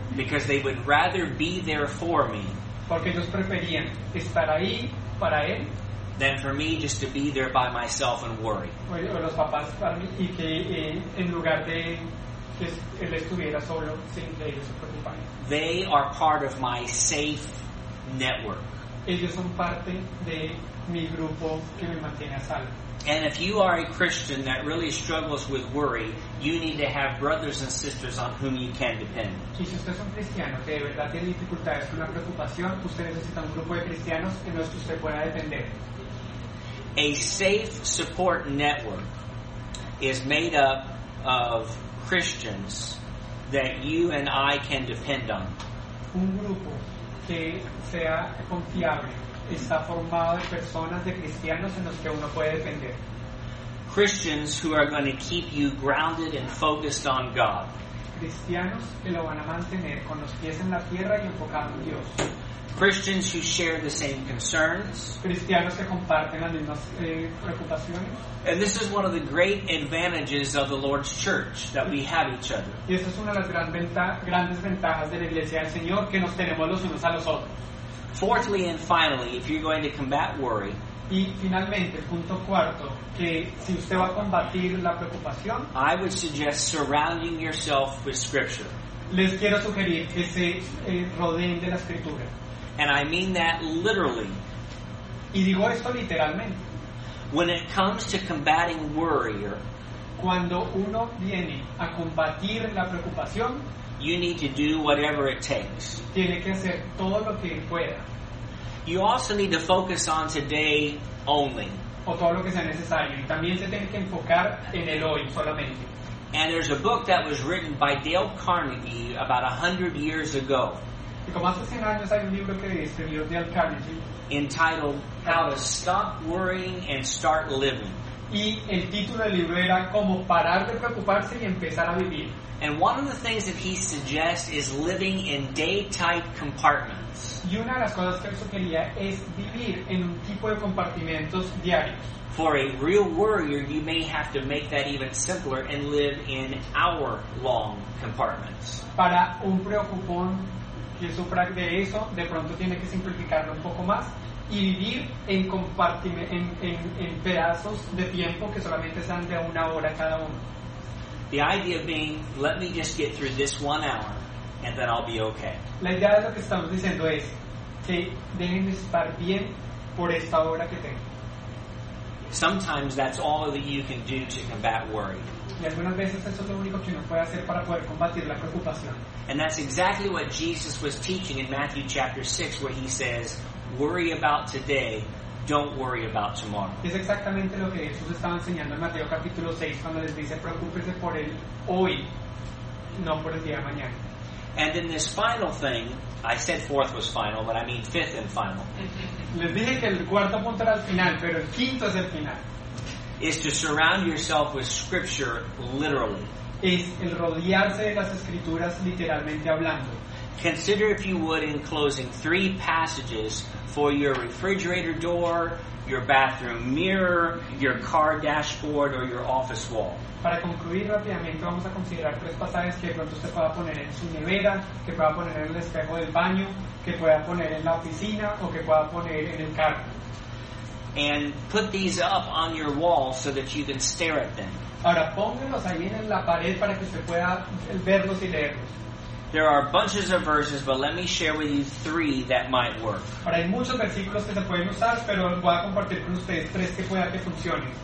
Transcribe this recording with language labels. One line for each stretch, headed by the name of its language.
English: Because they would rather be there for me.
Spanish: Porque ellos preferían estar ahí para él.
English: Than for me just to be there by myself and worry.
Spanish: O los papás para mí y que en lugar de que él estuviera solo sin que ellos se preocupen.
English: They are part of my safe network.
Spanish: Ellos son parte de mi grupo que me mantiene a salvo.
English: And if you are a Christian that really struggles with worry, you need to have brothers and sisters on whom you can depend.
Spanish: Si usted es un cristiano que de verdad tiene dificultades con la preocupación, usted necesita un grupo de cristianos en los que usted pueda depender.
English: A safe support network is made up of Christians that you and I can depend on.
Spanish: Un grupo que sea confiable está formado de personas, de cristianos en los que uno puede depender.
English: Christians who are going to keep you grounded and focused on God.
Spanish: Cristianos que lo van a mantener con los pies en la tierra y enfocado en Dios.
English: Christians who share the same concerns.
Spanish: Cristianos que comparten las mismas preocupaciones.
English: And this is one of the great advantages of the Lord's Church, that we have each other.
Spanish: Y esta es una de las grandes ventajas de la Iglesia del Señor, que nos tenemos los unos a los otros.
English: Fourthly and finally, if you're going to combat worry,
Spanish: y finalmente, el punto cuarto, que si usted va a combatir la preocupación,
English: I would suggest surrounding yourself with Scripture.
Spanish: Les quiero sugerir que se rodeen de la Escritura.
English: And I mean that literally.
Spanish: Y digo esto literalmente.
English: When it comes to combating worry,
Spanish: cuando uno viene a combatir la preocupación,
English: you need to do whatever it takes.
Spanish: Tiene que hacer todo lo que pueda.
English: You also need to focus on today only.
Spanish: O todo lo que sea necesario. Y también se tiene que enfocar en el hoy solamente.
English: And there's a book that was written by Dale Carnegie about 100 years ago.
Spanish: Y como hace 100 años hay un libro que escribió Dale Carnegie.
English: Entitled, How to Stop Worrying and Start Living.
Spanish: Y el título del libro era, Cómo Parar de Preocuparse y Empezar a Vivir.
English: And one of the things that he suggests is living in day-type compartments.
Spanish: Y una de las cosas que él sugería es vivir en un tipo de compartimentos diarios.
English: For a real worrier, you may have to make that even simpler and live in hour-long compartments.
Spanish: Para un preocupón que sufra de eso, de pronto tiene que simplificarlo un poco más y vivir en compartimentos en pedazos de tiempo que solamente sean de una hora cada uno.
English: The idea being, let me just get through this 1 hour, and then I'll be okay.
Spanish: La idea de lo que estamos diciendo es que déjenme estar bien por esta hora que tengo.
English: Sometimes that's all that you can do to combat worry.
Spanish: Y algunas veces eso es lo único que uno puede hacer para poder combatir la preocupación.
English: And that's exactly what Jesus was teaching in Matthew chapter 6, where he says, worry about today. Don't worry about tomorrow.
Spanish: Es exactamente lo que Jesús estaba enseñando en Mateo capítulo 6 cuando les dice, preocúpese por el hoy, no por el día de mañana.
English: And then this final thing, I said fourth was final, but I mean fifth and final.
Spanish: Les dije que el cuarto punto era el final, pero el quinto es el final.
English: Is to surround yourself with Scripture literally.
Spanish: Es el rodearse de las Escrituras literalmente hablando.
English: Consider, if you would, in closing, three passages for your refrigerator door, your bathroom mirror, your car dashboard, or your office wall.
Spanish: Para concluir rápidamente, vamos a considerar tres pasajes que pronto usted pueda poner en su nevera, que pueda poner en el espejo del baño, que pueda poner en la oficina, o que pueda poner en el carro.
English: And put these up on your wall so that you can stare at them.
Spanish: Ahora póngalos ahí en la pared para que usted pueda verlos y leerlos.
English: There are bunches of verses, but let me share with you three that might work.
Spanish: Ahora, hay muchos versículos que se pueden usar, pero voy a compartir con ustedes tres que puedan que funcionen.